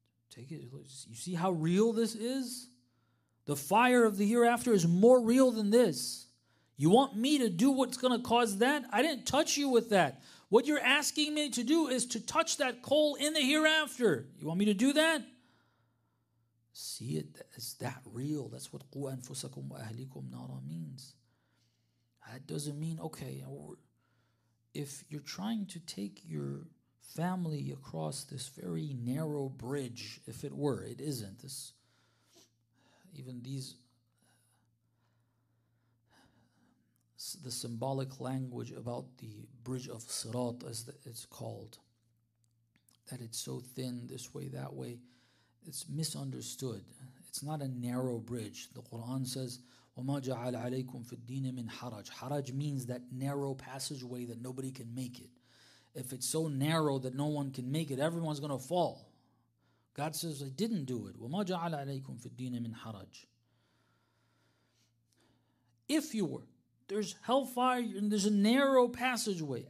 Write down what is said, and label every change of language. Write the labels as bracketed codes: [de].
[en] Take it. You see how real this is? The fire of the hereafter is more real than this. You want me to do what's going to cause that? I didn't touch you with that. What you're asking me to do is to touch that coal in the hereafter. You want me to do that? See it as that real. That's what [ar] قُوْ أَنفُسَكُمْ وَأَهْلِكُمْ نَارًا [en] means. That doesn't mean, okay, if you're trying to take your family across this very narrow bridge, if it were, it isn't. This, even these, the symbolic language about the bridge of Sirat, as it's called, that it's so thin this way, that way, it's misunderstood. It's not a narrow bridge. The Quran says, [ar] وَمَا جَعَلَ عَلَيْكُمْ فِي الدِّينِ مِنْ حَرَجٍ. [en] Haraj means that narrow passageway that nobody can make it. If it's so narrow that no one can make it, everyone's going to fall. God says, I didn't do it. [ar] وَمَا جَعَلَ عَلَيْكُمْ فِي الدِّينِ مِنْ حَرَجٍ. [en] If you were, there's hellfire and there's a narrow passageway.